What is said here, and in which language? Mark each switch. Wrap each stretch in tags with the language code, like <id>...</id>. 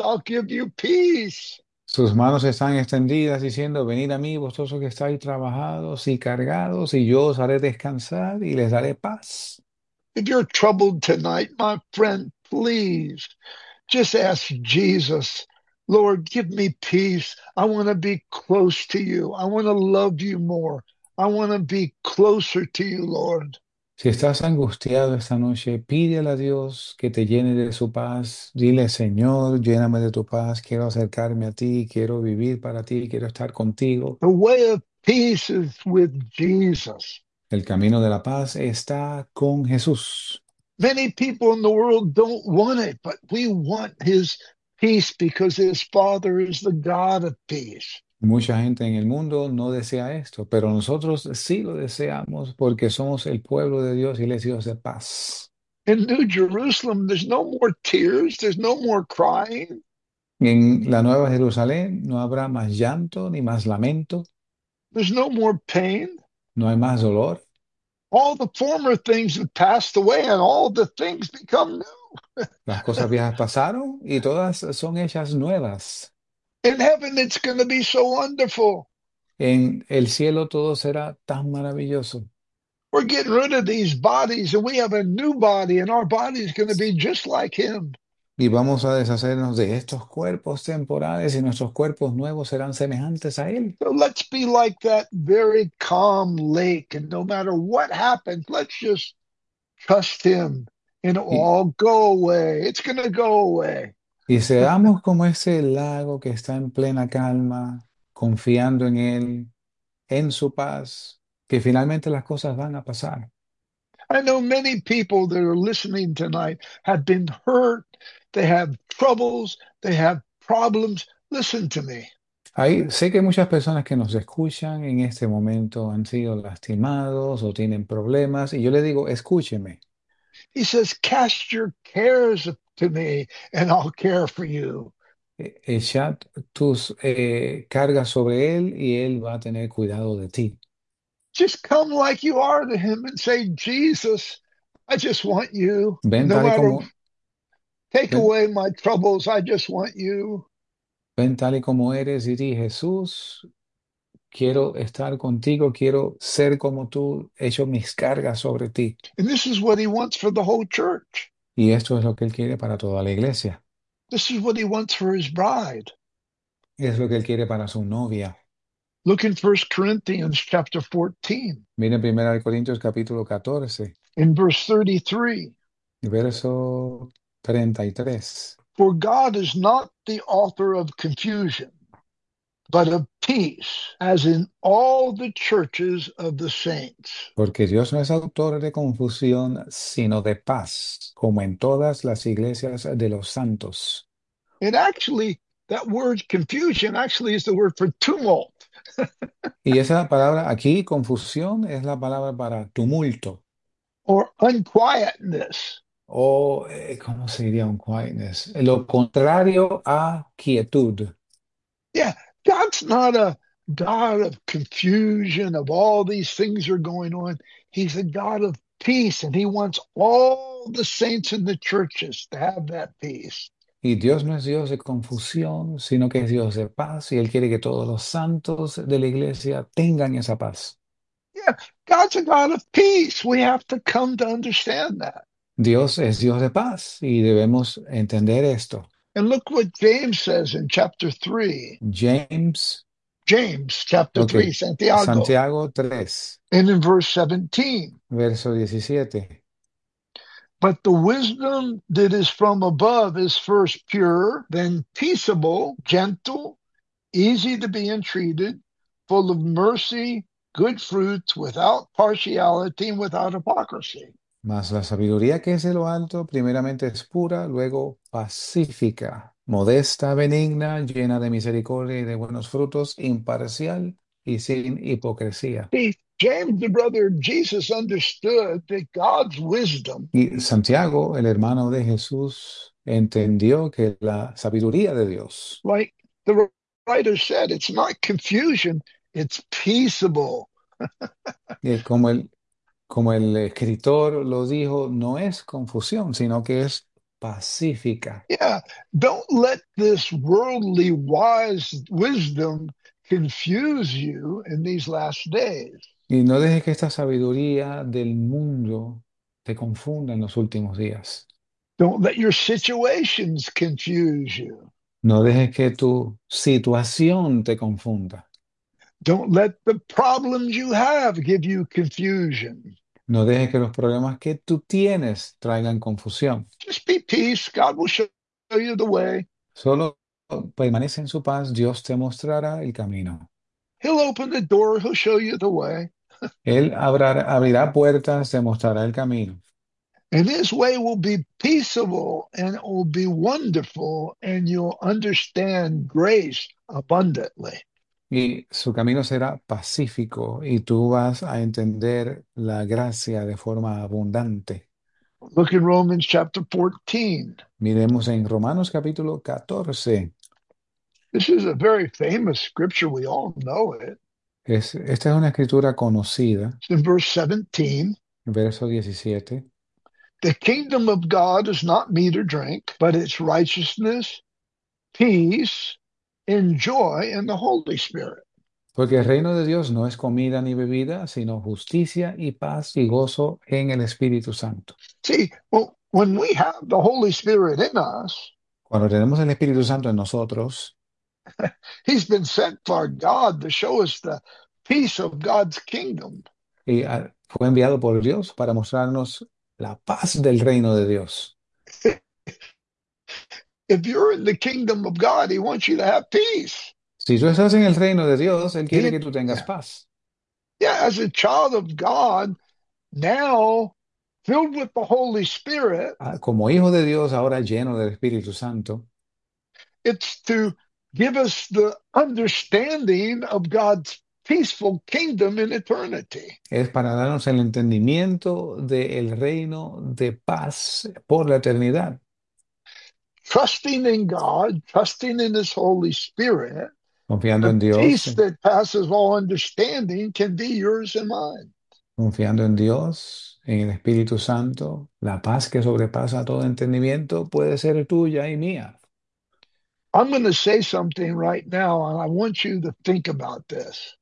<en>I'll give you peace.</en> <es>Sus manos están extendidas diciendo, venid a mí, vosotros que estáis trabajados y cargados, y yo os haré descansar y les daré paz.</es> <en>If you're troubled tonight, my friend, please just ask Jesus, Lord, give me peace. I want to be close to you. I want to love you more. I want to be closer to you, Lord.</en> <es>Si estás angustiado esta noche, pídele a Dios que te llene de su paz. Dile, Señor, lléname de tu paz. Quiero acercarme a ti, quiero vivir para ti, quiero estar contigo.</es> <en>The way of peace is with Jesus.</en> <es>El camino de la paz está con Jesús.</es> <en>Many people in the world don't want it, but we want his peace because his Father is the God of peace.</en> <es>Mucha gente en el mundo no desea esto, pero nosotros sí lo deseamos porque somos el pueblo de Dios y les Dios de paz.</es> <en>In New Jerusalem, there's no more tears, there's no more crying.</en> <es>En la Nueva Jerusalén no habrá más llanto ni más lamento.</es> <en>There's no more pain.</en> <es>No hay más dolor.</es> <en>All the former things have passed away and all the things become</en> <es>Las</es> <en>new.</en> <es>cosas viejas pasaron y todas son hechas nuevas.</es> <en>In heaven, it's going to be so wonderful.</en> <es>En el cielo todo será tan maravilloso.</es> <en>We're getting rid of these bodies and we have a new body and our body is going to be just like him.</en> <es>Y vamos a deshacernos de estos cuerpos temporales y nuestros cuerpos nuevos serán semejantes a Él.</es> <en>So let's be like that very calm lake, and no matter what happens, let's just trust him and all go away. It's going to go away.</en> <es>Y seamos como ese lago que está en plena calma, confiando en Él, en su paz, que finalmente las cosas van a pasar.</es> <en>I know many people that are listening tonight have been hurt, they have troubles, they have problems. Listen to me.</en> <es>Ahí, sé que muchas personas que nos escuchan en este momento han sido lastimados o tienen problemas, y yo le digo, escúcheme.</es> <en>He says, cast your cares to me and I'll care for you.</en> <es>Echa tus cargas sobre él y él va a tener cuidado de ti.</es> <en>Just come like you are to him and say, Jesus, I just want you.</en> <es>Ven</es> <en>No</en> <es>tal y</es> <en>matter,</en> <es>como</es> <en>take away my troubles, I just want you.</en> <es>ven tal y como eres y di, Jesús, quiero estar contigo, quiero ser como tú, echo mis cargas sobre ti.</es> <en>And this is what he wants for the whole church.</en> <es>Y esto es lo que él quiere para toda la iglesia.</es> <en>This is what he wants for his bride.</en> <es>Es lo que él quiere para su novia.</es> <en>Look in 1 Corinthians chapter 14,</en> <es>Miren 1 Corintios capítulo 14,</es> <en>in verse 33.</en> <es>verso 33.</es> <en>For God is not the author of confusion, but of peace, as in all the churches of the saints.</en> <es>Porque Dios no es autor de confusión, sino de paz, como en todas las iglesias de los santos.</es> <en>And actually, that word confusion actually is the word for tumult.</en> <es>Y esa palabra aquí, confusión, es la palabra para tumulto.</es> <en>Or unquietness.</en> <es>O, ¿cómo se diría un quietness? Lo contrario a quietud.</es> <en>Yeah, God's not a God of confusion, of all these things are going on. He's a God of peace, and he wants all the saints in the churches to have that peace.</en> <es>Y Dios no es Dios de confusión, sino que es Dios de paz, y Él quiere que todos los santos de la iglesia tengan esa paz.</es> <en>God's a God of peace. We have to come to understand that.</en> <es>Dios es Dios de paz y debemos entender esto.</es> <en>And look what James says in chapter 3. James, James chapter 3, okay,</en> <es>Santiago. Santiago 3,</es> <en>And in verse 17.</en> <es>verso 17.</es> <en>But the wisdom that is from above is first pure, then peaceable, gentle, easy to be entreated, full of mercy, good fruits without partiality and without hypocrisy.</en> <es>Mas la sabiduría que es de lo alto, primeramente es pura, luego pacífica, modesta, benigna, llena de misericordia y de buenos frutos, imparcial y sin hipocresía.</es> <en>See, James, the brother of Jesus, understood that God's wisdom.</en> <es>Y Santiago, el hermano de Jesús, entendió que la sabiduría de Dios.</es> <en>Like the writer said, it's not confusion. It's peaceable.</en> <es>Y como el. Como el escritor lo dijo, no es confusión, sino que es pacífica.</es> <en>Yeah, don't let this worldly wise wisdom confuse you in these last days.</en> <es>Y no dejes que esta sabiduría del mundo te confunda en los últimos días.</es> <en>Don't let your situations confuse you.</en> <es>No dejes que tu situación te confunda.</es> <en>Don't let the problems you have give you confusion.</en> <es>No dejes que los problemas que tú tienes traigan confusión.</es> <en>Just be peace. God will show you the way.</en> <es>Solo permanece en su paz, Dios te mostrará el camino.</es> <en>He'll open the door. He'll show you the way.</en> <es>Él abrirá puertas, te mostrará el camino.</es> <en>And his way will be peaceable and it will be wonderful, and you'll understand grace abundantly.</en> <es>Y su camino será pacífico y tú vas a entender la gracia de forma abundante.</es> <en>Look in Romans chapter 14.</en> <es>Miremos en Romanos capítulo 14.</es> <en>This is a very famous scripture. We all know it.</en> <es>Esta es una escritura conocida.</es> <en>It's in verse 17.</en> <es>Verso 17.</es> <en>The kingdom of God is not meat or drink, but it's righteousness, peace, and joy in the Holy Spirit.</en> <es>Porque el reino de Dios no es comida ni bebida, sino justicia y paz y gozo en el Espíritu Santo.</es> <en>See, well, when we have the Holy Spirit in us,</en> <es>Cuando tenemos el Espíritu Santo en nosotros,</es> <en>he's been sent by God to show us the peace of God's kingdom.</en> <es>y fue enviado por Dios para mostrarnos la paz del reino de Dios.</es> <en>If you're in the kingdom of God, he wants you to have peace.</en> <es>Si tú estás en el reino de Dios, Él quiere</es> <en>He,</en> <es>que tú tengas</es> <en>yeah.</en> <es>paz.</es> <en>Yeah, as a child of God, now filled with the Holy Spirit,</en> <es>Como hijo de Dios, ahora lleno del Espíritu Santo.</es> <en>it's to give us the understanding of God's peaceful kingdom in eternity.</en> <es>Es para darnos el entendimiento del reino de paz por la eternidad.</es> <en>Trusting in God, trusting in His Holy Spirit,</en> <es>Confiando en</es> <en>the</en> <es>Dios.</es> <en>peace that passes all understanding can be yours and mine.</en> <es>Confiando en Dios, en el Espíritu Santo, la paz que sobrepasa todo entendimiento puede ser tuya y mía.</es> <en>I'm going to say something right now, and I want you to think about this.</en>